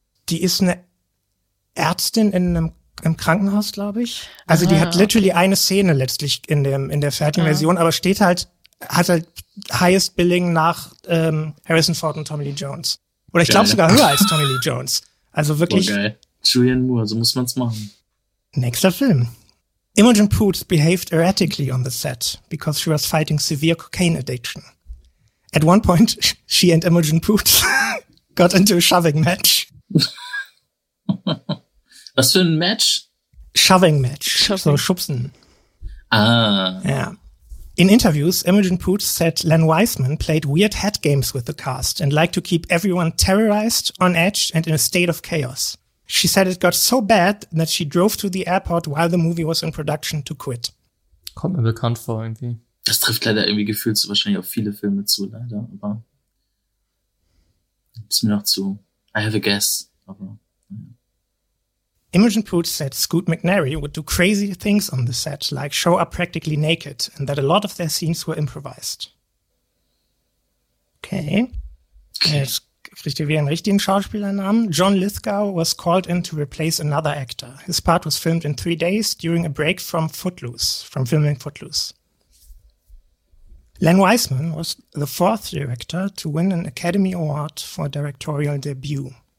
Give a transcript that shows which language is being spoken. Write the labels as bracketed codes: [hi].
[de] Die ist eine Ärztin in einem im Krankenhaus, glaube ich. Also aha, die hat literally okay. eine Szene letztlich in der fertigen ja. Version, aber steht halt, hat halt highest billing nach Harrison Ford und Tommy Lee Jones. Oder ich glaube sogar höher als Tommy Lee Jones. Also wirklich. Boah, geil. Julianne Moore, so muss man es machen. Nächster Film. [en] Imogen Poots behaved erratically on the set because she was fighting severe cocaine addiction. At one point, she and Imogen Poots got into a shoving match. [de] Was für ein Match? Shoving Match. So Schubsen. Ah. Yeah. [en] In interviews, Imogen Poots said Len Wiseman played weird head games with the cast and liked to keep everyone terrorized, on edge, and in a state of chaos. She said it got so bad that she drove to the airport while the movie was in production to quit. [de] Kommt mir bekannt vor irgendwie. Das trifft leider irgendwie gefühlt so wahrscheinlich auf viele Filme zu, leider, aber ist mir noch zu. [en] I have a guess, aber. Imogen Poots said Scoot McNairy would do crazy things on the set, like show up practically naked, and that a lot of their scenes were improvised. Okay. [de] Jetzt kriegt ihr wieder einen richtigen Schauspielernamen. [en] John Lithgow was called in to replace another actor. His part was filmed in 3 days during a break from Footloose, from filming Footloose. Len Wiseman was the fourth director to win an Academy Award for a directorial debut.